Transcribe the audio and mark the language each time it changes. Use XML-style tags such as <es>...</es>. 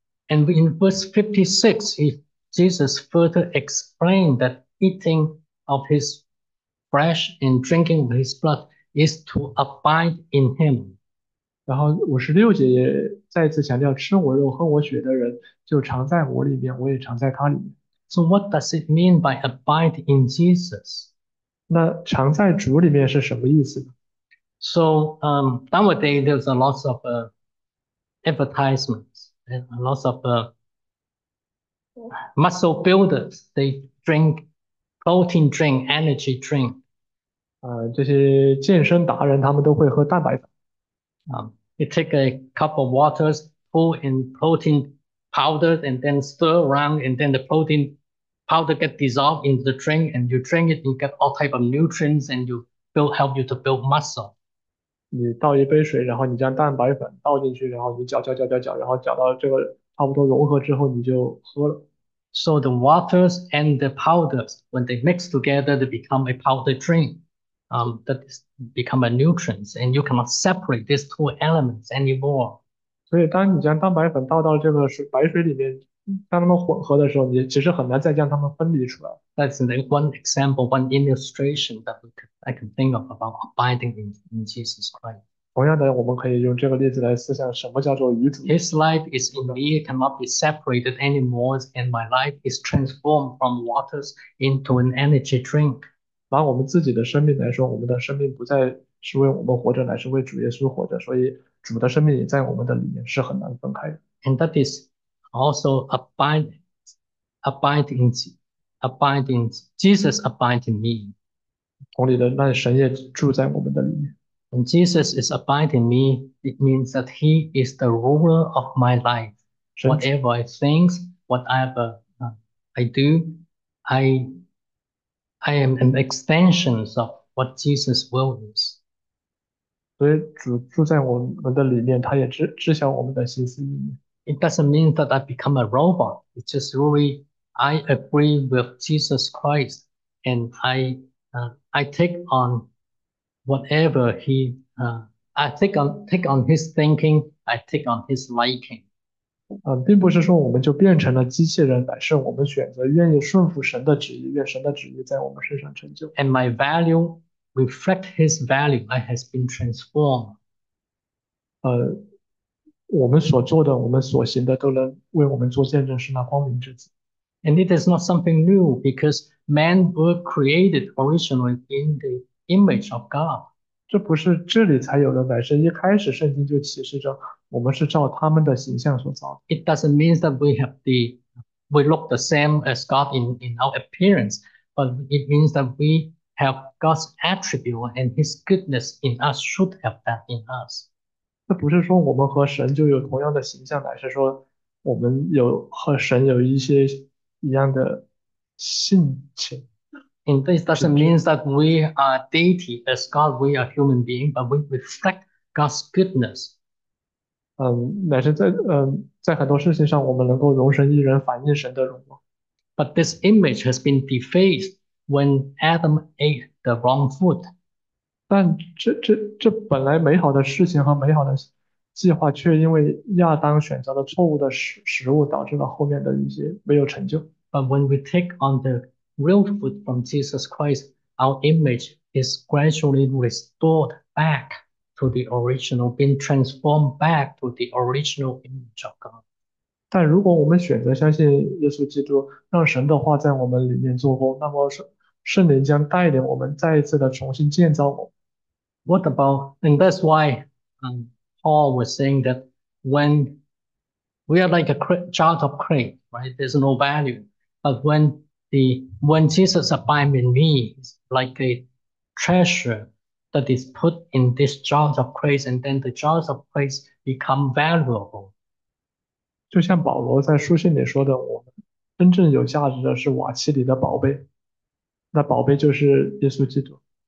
<en>And in verse 56, Jesus further explained that eating of his flesh and drinking of his blood is to abide in him.</en> <zh>然后56节也再次强调，吃我肉喝我血的人就常在我里面，我也常在他里面。</zh> <en>So what does it mean by abide in Jesus?</en> <zh>那常在主里面是什么意思呢？</zh> <en>So nowadays there's a lot of advertisements and lots of muscle builders. They drink protein drink, energy drink.</en> <zh>这些健身达人他们都会喝蛋白粉。</zh> <en>You take a cup of water, pour in protein powder, and then stir around, and then the protein powder get dissolved into the drink, and you drink it, you get all type of nutrients, and you build help you to build muscle.</en> <zh>你倒一杯水，然后你将蛋白粉倒进去，然后你搅搅搅搅搅，然后搅到这个差不多融合之后，你就喝了。</zh> <en>So the waters and the powders, when they mix together, they become a powder drink. That is become a nutrients, and you cannot separate these two elements anymore.</en> <zh>所以，当你将蛋白粉倒到这个水白水里面，当它们混合的时候，你其实很难再将它们分离出来。</zh> <en>That's one example, one illustration that I can think of about abiding in Jesus Christ.</en> <zh>同样的，我们可以用这个例子来思想什么叫做与主。</zh> <en>His life is in me, cannot be separated anymore, and my life is transformed from waters into an energy drink.</en> <zh>拿我们自己的生命来说，我们的生命不再是为我们活着，乃是为主耶稣活着。所以，主的生命也在我们的里面，是很难分开的。</zh> <en>And that is also abiding, Jesus abiding me.</en> <zh>同理的，那神也住在我们的里面。</zh> <en>When Jesus is abiding me, it means that he is the ruler of my life.</en> <zh>神主，</zh> <en>Whatever I think, whatever I do, I am an extension of what Jesus' will is.</en> <zh>所以主住在我们的里面，他也知晓我们的心思意念。</zh> <en>It doesn't mean that I become a robot. It's just really I agree with Jesus Christ, and I take on whatever he I take on his thinking. I take on his liking.</en> <zh>并不是说我们就变成了机器人，乃是我们选择愿意顺服神的旨意，愿神的旨意在我们身上成就。</zh> <en>And my value reflect his value. I has been transformed.</en> <zh>我们所做的，我们所行的，都能为我们做见证，是那光明之子。</zh> <en>And it is not something new because men were created originally in the image of God.</en> <zh>这不是这里才有的，乃是一开始圣经就启示着我们是照他们的形象所造的。</zh> <en>It doesn't mean that we look the same as God in our appearance, but it means that we have God's attribute and His goodness in us should have that in us.</en> <zh>这不是说我们和神就有同样的形象，乃是说我们有和神有一些一样的性情、</zh> <en>And this doesn't</en> <zh>品质。</zh> <en>mean that we are deity as God, we are human being, but we reflect God's goodness.</en> <zh>乃是在很多事情上，我们能够容神一人，反映神的荣光。</zh> <en>But this image has been defaced when Adam ate the wrong food.</en> <zh>但这本来美好的事情和美好的计划，却因为亚当选择了错误的食物，导致了后面的一些没有成就。</zh> <en>But when we take on the real food from Jesus Christ, our image is gradually restored back to the original, being transformed back to the original image of God.</en> <zh>但如果我们选择相信耶稣基督，让神的话在我们里面做工，那么圣灵将带领我们再一次的重新建造我们。</zh> <en>What about, and that's why Paul was saying that when we are like a jar of clay, right? There's no value. But when Jesus abides in me, it's like a treasure that is put in this jar of clay, and then the jar of clay become valuable.</en> <zh>就像保罗在书信里说的，我们真正有价值的是瓦器里的宝贝，那宝贝就是耶稣基督。</zh>